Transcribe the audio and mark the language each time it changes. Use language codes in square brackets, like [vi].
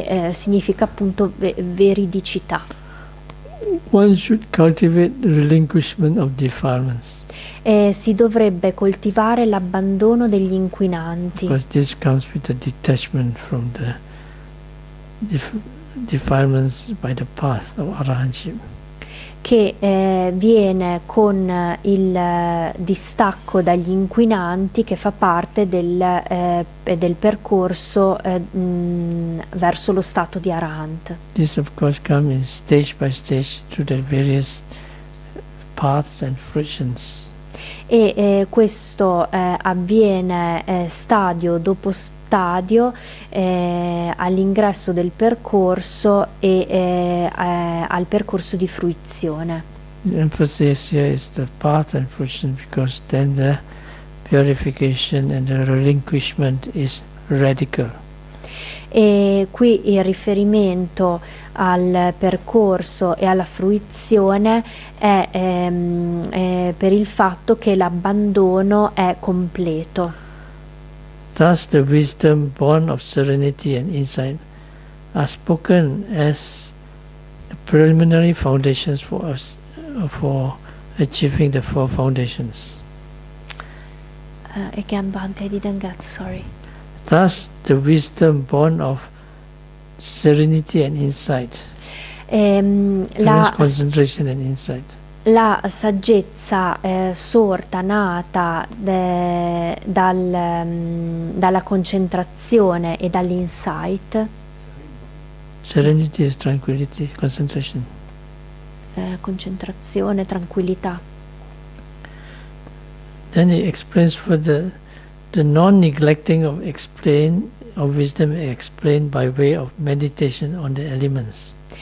[it] Significa appunto veridicità. [en] One should cultivate the relinquishment of defilements. [it] Si dovrebbe coltivare l'abbandono degli inquinanti. [en] Because this comes with the detachment from the defilements by the path of arahantship. [it] Che viene con il distacco dagli inquinanti che fa parte del percorso verso lo stato di Arahant. [en] This of course comes in stage by stage through the various paths and fruitions. [it] E questo avviene stadio dopo stadio all'ingresso del percorso e al percorso di fruizione. [en] L'emphasis here is the path and fruition because then the purification and the relinquishment is radical. [it] E qui il riferimento al percorso e alla fruizione è per il fatto che l'abbandono è completo. [en] Thus the wisdom born of serenity and insight are spoken as the preliminary foundations for us for achieving the four foundations. Again, Bhante, I didn't get, sorry. Thus the wisdom born of serenity and insight. Concentration and insight. [it] La saggezza sorta, nata dalla concentrazione e dall'insight. [en] Serenity is tranquility, concentration. [it] Concentrazione, tranquillità. [en] Then he explains for the non-neglecting of explain of wisdom explained by way of meditation on the elements.